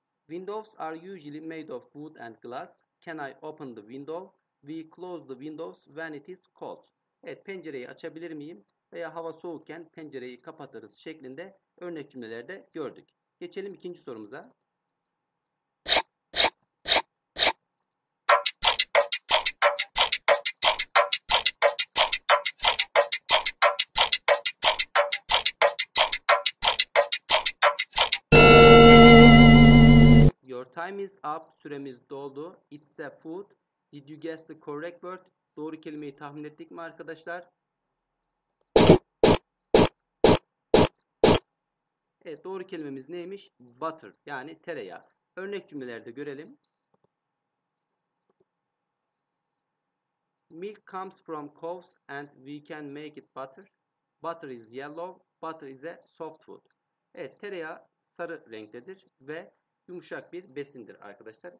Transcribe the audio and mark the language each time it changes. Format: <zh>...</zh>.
<en>Windows are usually made of wood and glass. Can I open the window? We close the windows when it is cold.</en> <tr>Evet, pencereyi açabilir miyim? Veya hava soğukken pencereyi kapatırız şeklinde örnek cümlelerde gördük. Geçelim ikinci sorumuza.</tr> <en>Your time is up.</en> <tr>Süremiz doldu.</tr> <en>It's a food. Did you guess the correct word?</en> <tr>Doğru kelimeyi tahmin ettik mi arkadaşlar? Evet, doğru kelimemiz neymiş? Butter, yani tereyağı. Örnek cümlelerde görelim.</tr> <en>Milk comes from cows and we can make it butter. Butter is yellow, butter is a soft food.</en> <tr>Evet, tereyağı sarı renktedir ve yumuşak bir besindir arkadaşlar.</tr>